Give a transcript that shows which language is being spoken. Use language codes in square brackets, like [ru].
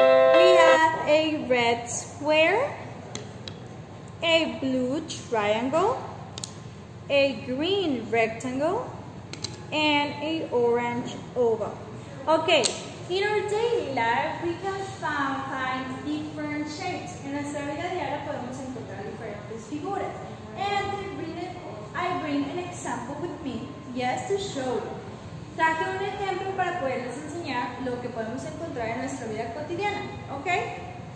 [en] We have a red square. A blue triangle. A green rectangle. And a orange oval. Okay. In our daily life, we can find different shapes. [es] En nuestra vida diaria podemos encontrar diferentes figuras. [en] And I bring an example with me, yes, to show you. [es] Traje un ejemplo para poderles enseñar lo que podemos encontrar en nuestra vida cotidiana, okay?